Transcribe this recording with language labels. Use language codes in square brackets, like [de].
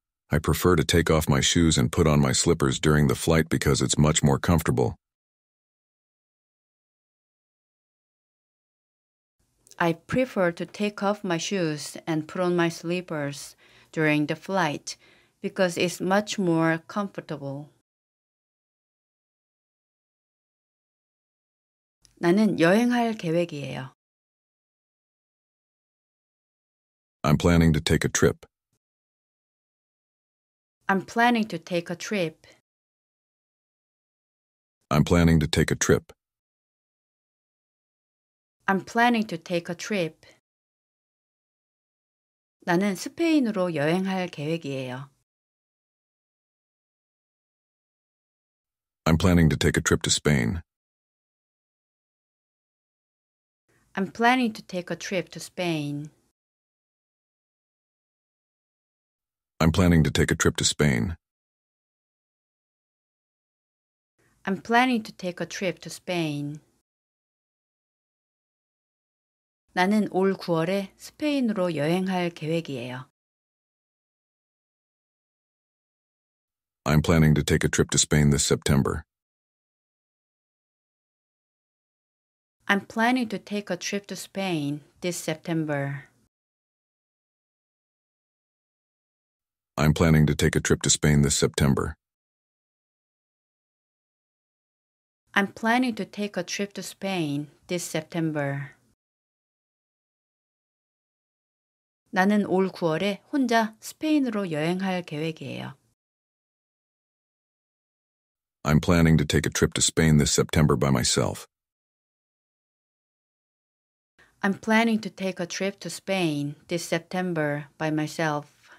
[en] I prefer to take off my shoes and put on my slippers during the flight because it's much more comfortable. I prefer to take off my shoes and put on my slippers during the flight because it's much more comfortable. [ko] 나는 여행할 계획이에요. [en] I'm planning to take a trip. I'm planning to take a trip. I'm planning to take a trip. I'm planning to take a trip. [ko] 나는 스페인으로 여행할 계획이에요. [en] I'm planning to take a trip to Spain. I'm planning to take a trip to Spain. I'm planning to take a trip to Spain. I'm planning to take a trip to Spain. [ko] 나는 올 9월에 스페인으로 여행할 계획이에요. [en] I'm planning to take a trip to Spain this September. I'm planning to take a trip to Spain this September. I'm planning to take a trip to Spain this September. I'm planning to take a trip to Spain this September. [ko] 나는 올 9월에 혼자 스페인으로 여행할 계획이에요. [en] I'm planning to take a trip to Spain this September by myself. I'm planning to take a trip to Spain this September by myself.